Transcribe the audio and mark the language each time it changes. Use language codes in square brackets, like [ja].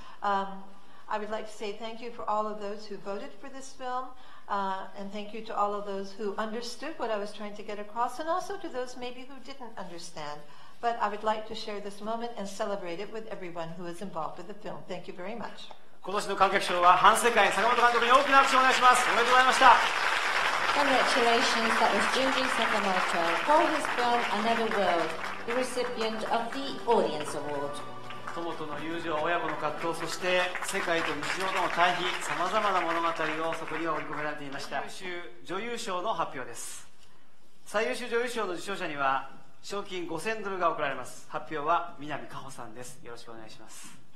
[en] I would like to say thank you for all of those who voted for this film, and thank you to all of those who understood what I was trying to get across, and also to those maybe who didn't understand. But I would like to share this moment and celebrate it with everyone who is involved with the film. Thank you very much. [ja] 今年の観客賞は反世界、坂本監督に大きな拍手をお願いします。おめでとうございました。 [en] Congratulations, that was Junji Sakamoto for his film Another World, the recipient of the Audience Award. [ja] 友との友情、親子の葛藤、そして世界と日常との対比、さまざまな物語をそこには織り込められていました。最優秀女優賞の発表です。最優秀女優賞の受賞者には賞金5000ドルが贈られます。発表は南果歩さんです。よろしくお願いします。